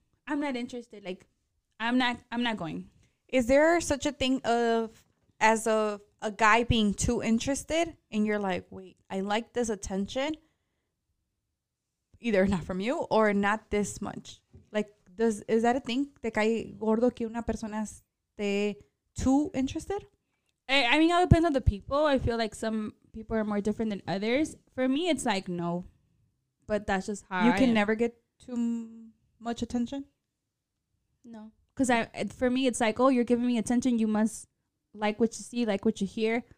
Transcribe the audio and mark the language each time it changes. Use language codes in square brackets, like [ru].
[en] I'm not interested. Like, I'm not going. Is there such a thing as a guy being too interested and you're like, wait, I like this attention. Either not from you or not this much. Like, is that a thing? [es] ¿Te cae gordo que una persona esté [en] too interested? I mean, it depends on the people. I feel like some people are more different than others. For me, it's like, no. But that's just how you can never get too much attention? No. Because for me, it's like, oh, you're giving me attention. You must like what you see, like what you hear.